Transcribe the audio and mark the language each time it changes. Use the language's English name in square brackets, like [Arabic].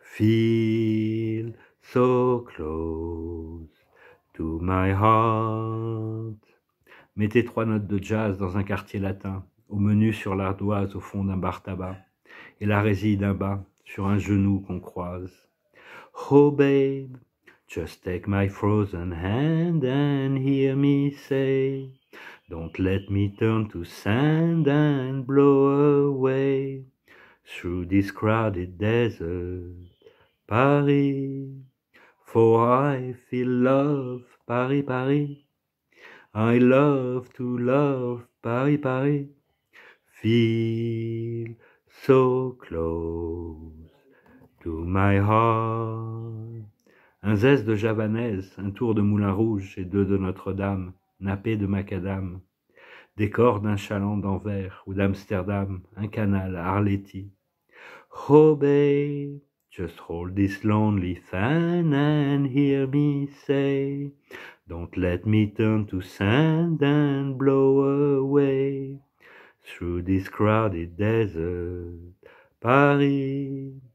[English] Feel so close to my heart. [French] Mettez trois notes de jazz dans un quartier latin, au menu sur l'ardoise au fond d'un bar tabac, et la réside d'un bas sur un genou qu'on croise. [English] Oh babe, just take my frozen hand and hear me say, don't let me turn to sand and blow away through this crowded desert, Paris. For I feel love, Paris, Paris. I love to love, Paris, Paris. Feel so close to my heart. [French] Un zeste de javanaise, un tour de moulin rouge et deux de Notre-Dame, nappé de macadam, décor d'un chaland d'Anvers ou d'Amsterdam, un canal à Arletty. [English] Oh babe, just hold this lonely fan and hear me say, don't let me turn to sand and blow away through this crowded desert, Paris.